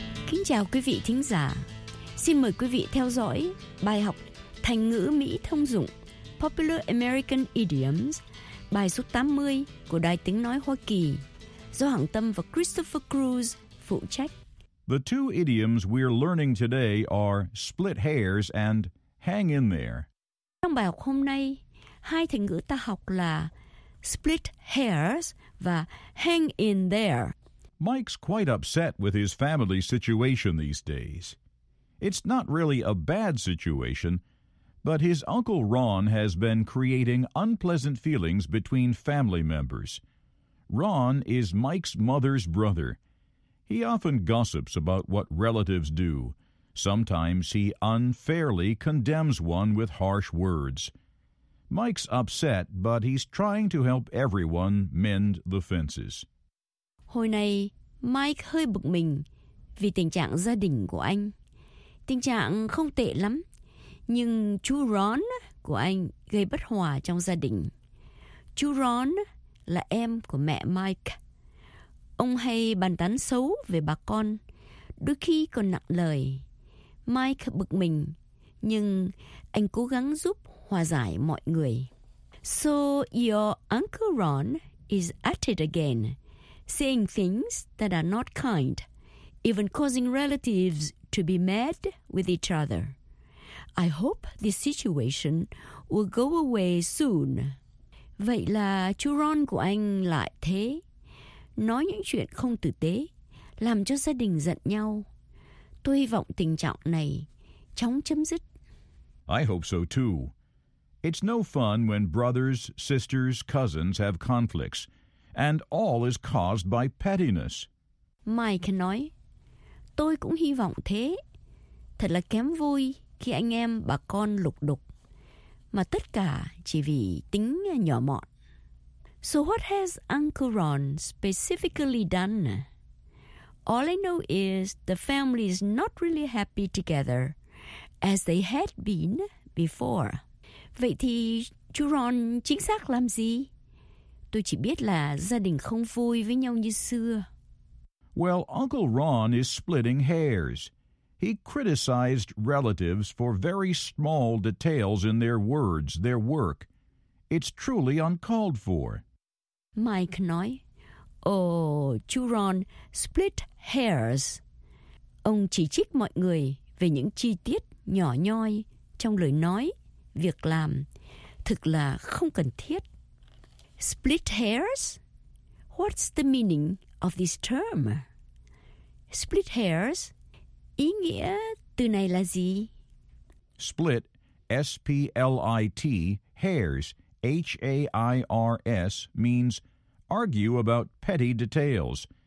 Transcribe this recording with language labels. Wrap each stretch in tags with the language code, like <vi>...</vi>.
<vi>Kính chào quý vị thính giả. Xin mời quý vị theo dõi bài học thành ngữ Mỹ thông dụng</vi> <en>Popular American Idioms,</en> <vi>bài số 80 của Đài Tiếng Nói Hoa Kỳ, do Hằng Tâm và Christopher Cruz phụ trách.</vi> <en>The two idioms we're learning today are split hairs and hang in there.</en> <vi>Trong bài học hôm nay, hai thành ngữ ta học là</vi> <en>split hairs</en> <vi>và</vi> <en>hang in there. Mike's quite upset with his family situation these days. It's not really a bad situation, but his uncle Ron has been creating unpleasant feelings between family members. Ron is Mike's mother's brother. He often gossips about what relatives do. Sometimes he unfairly condemns one with harsh words. Mike's upset, but he's trying to help everyone mend the fences.</en> <vi>Hồi này, Mike hơi bực mình vì tình trạng gia đình của anh. Tình trạng không tệ lắm. Nhưng chú Ron của anh gây bất hòa trong gia đình. Chú Ron là em của mẹ Mike. Ông hay bàn tán xấu về bà con, đôi khi còn nặng lời. Mike bực mình, nhưng anh cố gắng giúp hòa giải mọi người.</vi> <en>So your uncle Ron is at it again, saying things that are not kind, even causing relatives to be mad with each other. I hope this situation will go away soon.</en> <vi>Vậy là chú Ron của anh lại thế. Nói những chuyện không tử tế, làm cho gia đình giận nhau. Tôi hy vọng tình trạng này chóng chấm dứt.</vi> <en>I hope so too. It's no fun when brothers, sisters, cousins have conflicts, and all is caused by pettiness.</en> <vi>Mike nói, tôi cũng hy vọng thế. Thật là kém vui khi anh em bà con lục đục, mà tất cả chỉ vì tính nhỏ mọn.</vi> <en>So what has Uncle Ron specifically done? All I know is the family is not really happy together as they had been before.</en> <vi>Vậy thì chú Ron chính xác làm gì? Tôi chỉ biết là gia đình không vui với nhau như xưa.</vi> <en>Well, Uncle Ron is splitting hairs. He criticized relatives for very small details in their words, their work. It's truly uncalled for.</en> <vi>Mike nói, oh, chú Ron</vi> <en>split hairs.</en> <vi>Ông chỉ trích mọi người về những chi tiết nhỏ nhoi trong lời nói, việc làm. Thực là không cần thiết.</vi> <en>Split hairs? What's the meaning of this term? Split hairs?</en> <vi>Ý nghĩa từ này là gì?</vi> <en>Split, S-P-L-I-T, hairs, H-A-I-R-S, means argue about petty details.</en>